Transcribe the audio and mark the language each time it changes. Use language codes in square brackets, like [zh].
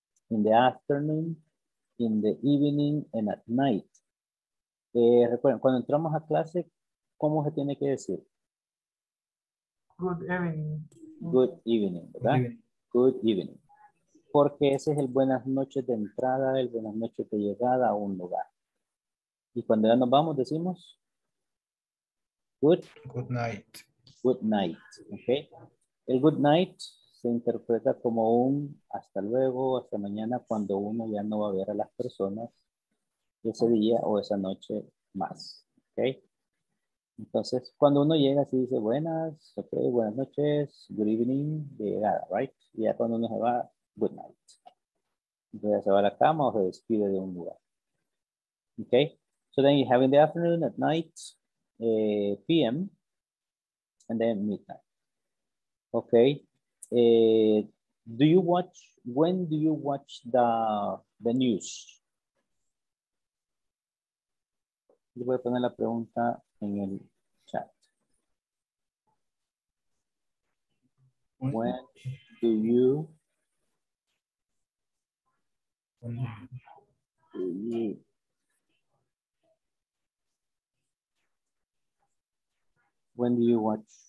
[en] In the afternoon, in the evening, and at night. [es] Recuerden, cuando entramos a clase, ¿cómo se tiene que decir? [en] Good evening. Good evening, ¿verdad? Good evening. [es] Porque ese es el buenas noches de entrada, el buenas noches de llegada a un lugar. Y cuando ya nos vamos, decimos good. [en] Good night. Good night, ¿ok? [es] El [en] good night [es] se interpreta como un hasta luego, hasta mañana, cuando uno ya no va a ver a las personas ese día o esa noche más, ¿ok? Entonces, cuando uno llega, sí dice buenas, ok, buenas noches, [en] good evening, [es] de llegada, right? Y ya cuando uno se va, [en] good night. [es] Entonces, se va a la cama o se despide de un lugar. [en] Ok, so then you have in the afternoon, at night, p.m., and then midnight. Ok, do you watch, when do you watch the news? [es] Yo voy a poner la pregunta en el chat. [en] When do you watch?